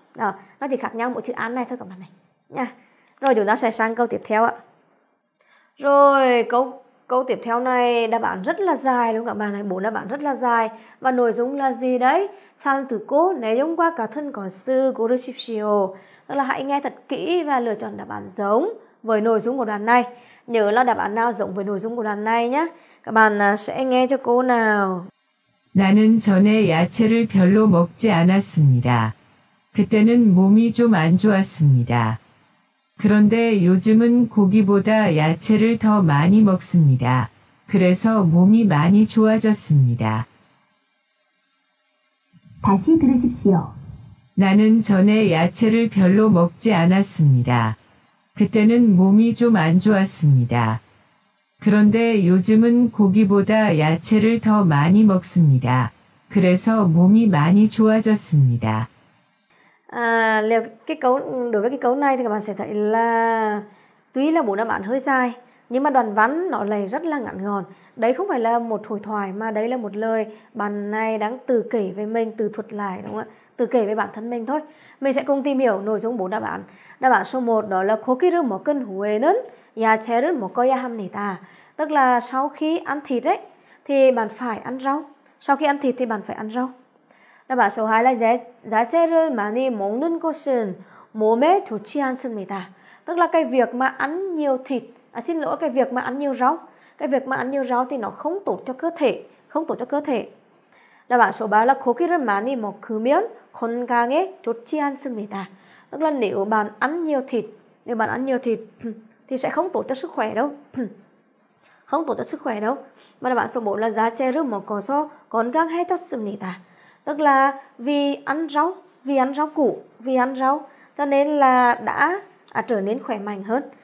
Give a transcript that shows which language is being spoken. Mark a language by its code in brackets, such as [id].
[vi] Đó, nó chỉ khác nhau mỗi chữ án này thôi các bạn này. Nha. Rồi chúng ta sẽ sang câu tiếp theo ạ. Rồi câu tiếp theo này đáp án rất là dài đúng không các bạn này? Bốn đáp án rất là dài và nội dung là gì đấy? [ko] 잘 듣고 내용 과 같은 것을 고르십시오. [vi] Tức là hãy nghe thật kỹ và lựa chọn đáp án giống với nội dung của đoạn này. Nhớ là đáp án nào giống với nội dung của đoạn này nhé. Các bạn sẽ nghe cho cô nào. [ko] 나는 전에 야채를 별로 먹지 않았습니다. 그때는 몸이 좀 안 좋았습니다. 그런데 요즘은 고기보다 야채를 더 많이 먹습니다. 그래서 몸이 많이 좋아졌습니다. 다시 들으십시오. 나는 전에 야채를 별로 먹지 않았습니다. 그때는 몸이 좀 안 좋았습니다. 그런데 요즘은 고기보다 야채를 더 많이 먹습니다. 그래서 몸이 많이 좋아졌습니다. [vi] Liệu cái câu đối với cái câu này thì các bạn sẽ thấy là tuy là bốn đáp án hơi sai nhưng mà đoạn văn nó lại rất là ngắn gọn. Đấy không phải là một hội thoại mà đấy là một lời bạn này đang tự kể về mình, tự thuật lại đúng không ạ? Tự kể về bản thân mình thôi. Mình sẽ cùng tìm hiểu nội dung bốn đáp án. Đáp án số 1 đó là [ko] 고기를 먹은 후에는 야채를 먹어야 합니다. [vi] Tức là sau khi ăn thịt ấy thì bạn phải ăn rau. Sau khi ăn thịt thì bạn phải ăn rau. Đáp án số 2 là [ko] 야채를 많이 먹는 것은 몸에 좋지 않습니다. [vi] Tức là cái việc mà ăn nhiều thịt, cái việc mà ăn nhiều rau. Cái việc mà ăn nhiều rau thì nó không tốt cho cơ thể, không tốt cho cơ thể. Đáp án số 3 là [ko] 고기를 많이 먹으면 건강에 좋지 않습니다. [vi] Tức là nếu bạn ăn nhiều thịt, thì sẽ không tốt cho sức khỏe đâu. Mà đáp án số 4 là [ko] 야채를 먹어서 건강해 좋습니다. [vi] Tức là vì ăn rau, cho nên là đã trở nên khỏe mạnh hơn.